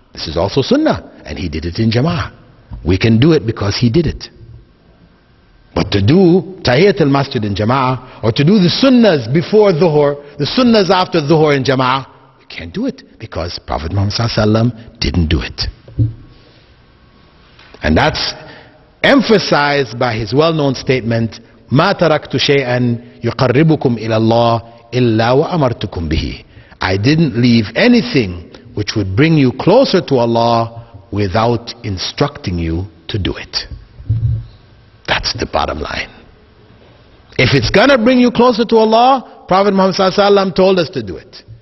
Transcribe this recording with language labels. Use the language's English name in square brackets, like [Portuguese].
[English] This is also sunnah, and he did it in jama'ah. We can do it because he did it. But to do tahiyyat al-masjid in jama'ah, or to do the sunnahs before dhuhr, the sunnahs after dhuhr in jama'ah, we can't do it because Prophet Muhammad ﷺ didn't do it. And that's emphasized by his well-known statement, [Arabic] مَا تَرَكْتُ شَيْئًا يُقَرِّبُكُمْ إِلَى اللَّهِ إِلَّا وَأَمَرْتُكُمْ بِهِ. [English] I didn't leave anything which would bring you closer to Allah without instructing you to do it. That's the bottom line. If it's going to bring you closer to Allah, Prophet Muhammad ﷺ told us to do it.